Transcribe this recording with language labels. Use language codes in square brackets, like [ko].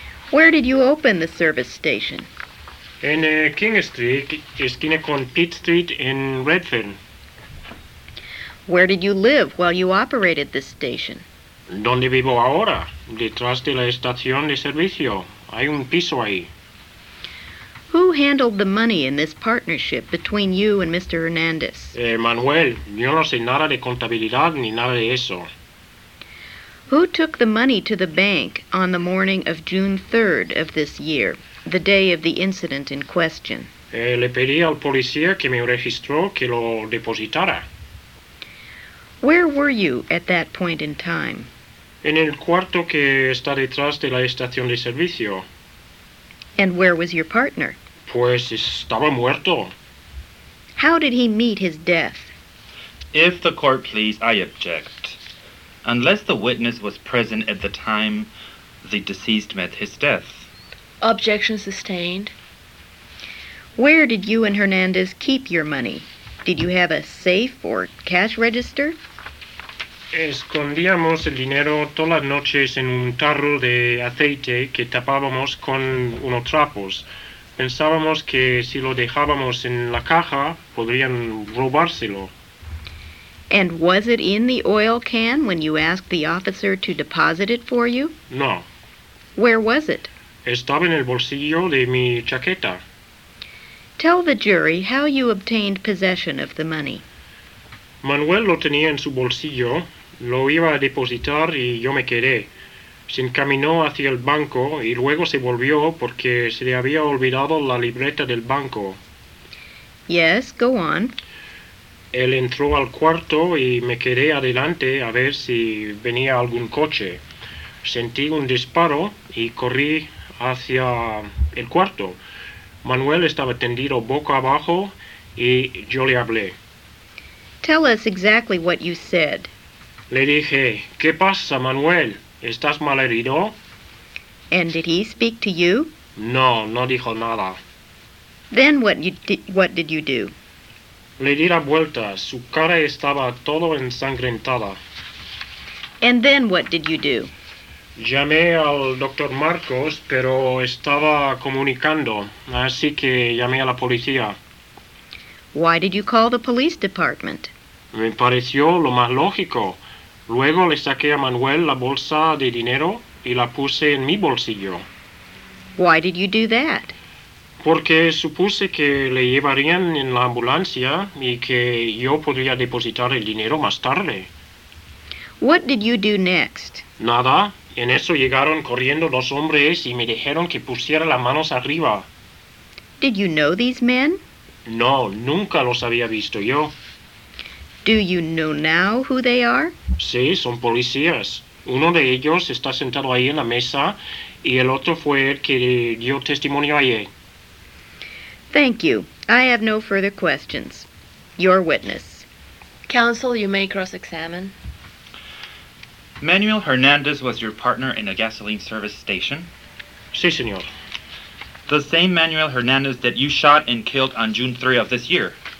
[en] Where did you open the service station? [es] En King Street, esquina con Pitt Street en Redfern. [en] Where did you live while you operated this station? [es] ¿Dónde vivo ahora? Detrás de la estación de servicio. Hay un piso ahí. [en] Who handled the money in this partnership between you and Mr. Hernández? [es] Manuel, yo no sé nada de contabilidad ni nada de eso. [en] Who took the money to the bank on the morning of June 3rd of this year? The day of the incident in question. [es] Le pedí al policía que me registró que lo depositara. [en] Where were you at that point in time? [es] En el cuarto que está detrás de la estación de servicio. [en] And where was your partner? [es] Pues estaba muerto. [en] How did he meet his death? If the court please, I object. Unless the witness was present at the time the deceased met his death. Objection sustained. Where did you and Hernandez keep your money? Did you have a safe or cash register? [es] Escondíamos el dinero todas las noches en un tarro de aceite que tapábamos con unos trapos. Pensábamos que si lo dejábamos en la caja, podrían robárselo. [en] And was it in the oil can when you asked the officer to deposit it for you? [es] No. [en] Where was it? [es] Estaba en el bolsillo de mi chaqueta. [en] Tell the jury how you obtained possession of the money. [es] Manuel lo tenía en su bolsillo, lo iba a depositar y yo me quedé. Se encaminó hacia el banco y luego se volvió porque se le había olvidado la libreta del banco. [en] Yes, go on. [es] Él entró al cuarto y me quedé adelante a ver si venía algún coche. Sentí un disparo y corrí hacia el cuarto. Manuel estaba tendido boca abajo y yo le hablé. [en] Tell us exactly what you said. [es] Le dije, ¿qué pasa, Manuel? ¿Estás mal herido? [en] And did he speak to you? [es] No, no dijo nada. [en] Then what did you do? [es] Le di la vuelta. Su cara estaba todo ensangrentada. [en] And then what did you do? [es] Llamé al doctor Marcos, pero estaba comunicando, así que llamé a la policía. [en] Why did you call the police department? [es] Me pareció lo más lógico. Luego le saqué a Manuel la bolsa de dinero y la puse en mi bolsillo. [en] Why did you do that? [es] Porque supuse que le llevarían en la ambulancia y que yo podría depositar el dinero más tarde. [en] What did you do next? [es] Nada. En eso llegaron corriendo los hombres y me dijeron que pusiera las manos arriba. [en] Did you know these men? [es] No, nunca los había visto yo. [en] Do you know now who they are? [es] Sí, son policías. Uno de ellos está sentado ahí en la mesa y el otro fue el que dio testimonio ayer. [en] Thank you. I have no further questions. Your witness. Counsel, you may cross-examine. Manuel Hernandez was your partner in a gasoline service station? [es] Sí, señor. [en] The same Manuel Hernandez that you shot and killed on June 3 of this year?